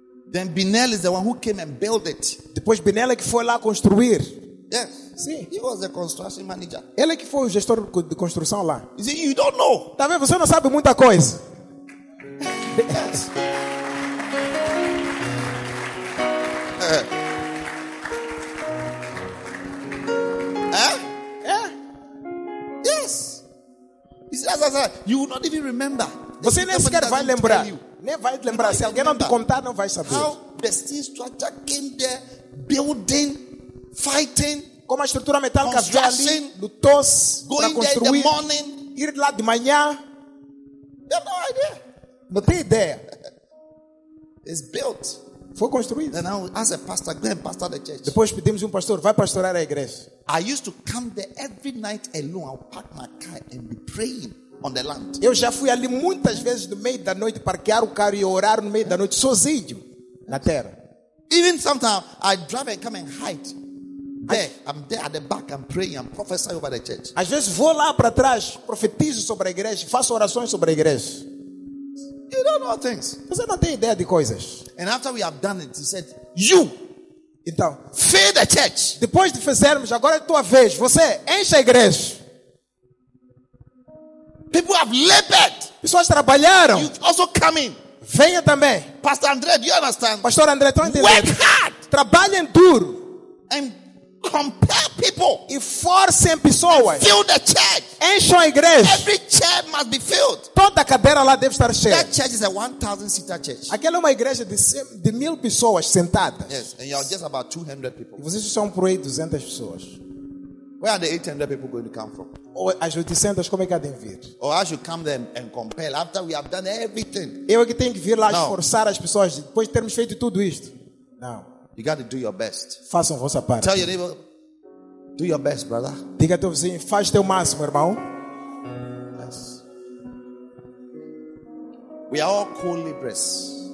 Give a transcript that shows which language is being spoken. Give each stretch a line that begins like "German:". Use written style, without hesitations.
English: Then Binel is the one who came and built it.
Portuguese: Depois Binel é que foi lá construir.
English: Yes.
Portuguese: Sim.
English: He was the construction manager.
Portuguese: Ele é que foi o gestor de construção lá.
English: He said, you don't know.
Portuguese: Tá vendo? Você não sabe muita coisa.
English: Yes.
Portuguese: É?
English: Just as I said, you will not even remember.
Portuguese: Você nem sequer vai lembrar. Nem vai lembrar. Se alguém não te contar, não vai saber.
English: How the steel structure came there, building, fighting.
Portuguese: Como a estrutura metálica veio ali, lutou-se para construir.
English: There in the morning,
Portuguese: ir lá de manhã.
English: You have no idea.
Portuguese: Não tem ideia.
English: It's built.
Portuguese: Foi construído.
English: And now, as a pastor, go and pastor the church.
Portuguese: Depois pedimos um pastor, vai pastorar a igreja.
English: I used to come there every night alone. I'll park my car and be praying on the land.
Portuguese: Eu já fui ali muitas vezes no meio da noite, parquear o carro e orar no meio da noite sozinho na terra.
English: Even sometimes I drive and come and hide there. I'm there at the back. I'm praying. I'm prophesying over the church.
Portuguese: Às vezes vou lá para trás, profetizo sobre a igreja, faço orações sobre a igreja.
English: You don't know things.
Portuguese: Você não tem ideia de coisas.
English: And after we have done it, he said, "You,
Portuguese: então,
English: fill the church."
Portuguese: Depois de fizermos, agora é tua vez. Você enche a igreja.
English: People have labored.
Portuguese: Pessoas trabalharam.
English: You also come in.
Portuguese: Venha também.
English: Pastor André, do you understand?
Portuguese: Pastor André, tu entende?
English: Work hard.
Portuguese: Trabalhem duro.
English: And compel people.
Portuguese: E forcem pessoas.
English: Fill the church.
Portuguese: Encham a igreja.
English: Every chair must be filled.
Portuguese: Toda cadeira lá deve estar cheia.
English: That church is a 1,000 seater church.
Portuguese: Aquela é uma igreja de 1,000 pessoas sentadas.
English: Yes, and you are just about 200 people.
Portuguese: E vocês são por aí 200 pessoas.
English: Where are the 800 people going to come from?
Portuguese: Ou as 800, como é que há de vir?
English: Or I should come there and compel after we have done everything.
Portuguese: Eu é que tenho que vir lá esforçar as pessoas depois de termos feito tudo isto. Não.
English: You got to do your best.
Portuguese: Faça a vossa parte.
English: Tell your neighbor, do your best, brother.
Portuguese: Diga ao teu vizinho, faz teu máximo, irmão.
English: Yes. We are all co-laborers.